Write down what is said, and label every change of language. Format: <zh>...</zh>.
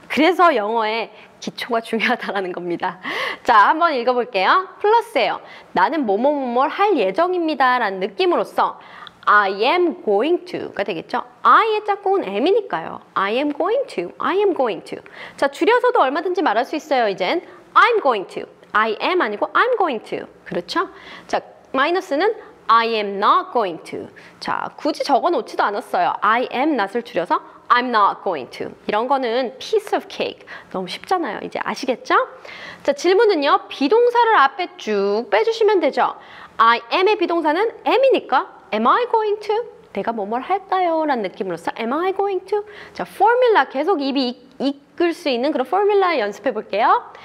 <ko>그래서 영어의 기초가 중요하다라는 겁니다. 자, 한번 읽어볼게요. 플러스예요. 나는 뭐뭐뭐뭐 할 예정입니다 라는 느낌으로써</ko> <en>I am going to</en> <ko>가 되겠죠.</ko> <en>I의 짝꿍은 am이니까요. I am going to, I am going to.</en> <ko>자, 줄여서도 얼마든지 말할 수 있어요. 이젠</ko> <en>I'm going to, I am</en> <ko>아니고</ko> <en>I'm going to.</en> <ko>그렇죠? 자, 마이너스는</ko> <en>I am not going to.</en> <ko>자, 굳이 적어놓지도 않았어요.</ko> <en>I am not을</en> <ko>줄여서</ko> <en>I'm not going to.</en> <ko>이런 거는</ko> <en>piece of cake.</en> <ko>너무 쉽잖아요. 이제 아시겠죠? 자, 질문은요. 비동사를 앞에 쭉 빼주시면 되죠.</ko> <en>I am의</en> <ko>비동사는</ko> <en>am이니까 Am I going to?</en> <ko>내가 뭐뭘 할까요? 라는 느낌으로써</ko> <en>Am I going to?</en> <ko>자, 포뮬라 계속 입이 이끌 수 있는 그런 포뮬라 연습해 볼게요.</ko>